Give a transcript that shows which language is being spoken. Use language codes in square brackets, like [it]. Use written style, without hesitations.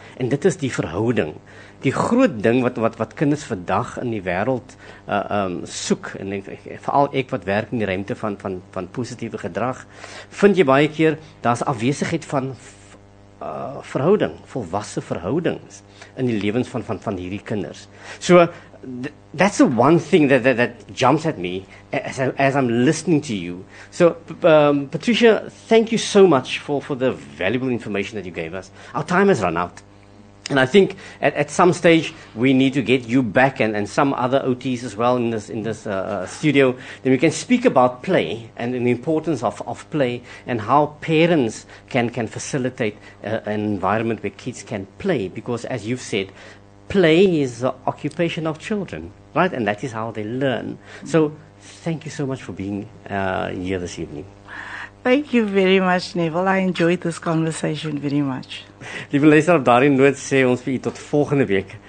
[af] En dit is die verhouding. Die groot ding wat kinders vandag in die wêreld soek, en veral ek wat werk in die ruimte van positiewe gedrag, vind jy baie keer, daar's afwesigheid van verhouding, volwasse verhoudings in die lewens van hierdie kinders. [en] So, that's the one thing that jumps at me as I'm listening to you. So, Patricia, thank you so much for the valuable information that you gave us. Our time has run out. And I think at some stage we need to get you back and some other OTs as well in this studio. Then we can speak about play and the importance of play and how parents can facilitate an environment where kids can play. Because as you've said, play is the occupation of children, right? And that is how they learn. So thank you so much for being here this evening. Thank you very much, Neville. I enjoyed this conversation very much. [af] Liewe leser, op daarin noot sê ons vir u tot volgende week.